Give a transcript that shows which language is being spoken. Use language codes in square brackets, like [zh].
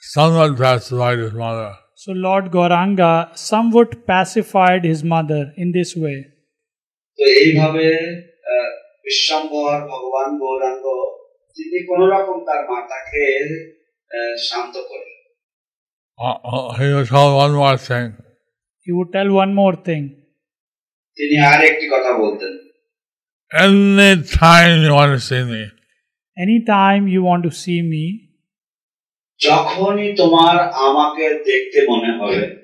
[en] So Lord Gauranga somewhat pacified his mother in this way. [bn] So এইভাবে বিশ্বম্ভর ভগবান গৌরাঙ্গ তিনি কোন রকম তার মাতাকে শান্ত করলেন [en] He would tell one more thing. [bn] তিনি আর একটি কথা বলতেন. [en] Any time you want to see me, [bn] যখনই তোমার আমাকে দেখতে মনে হবে,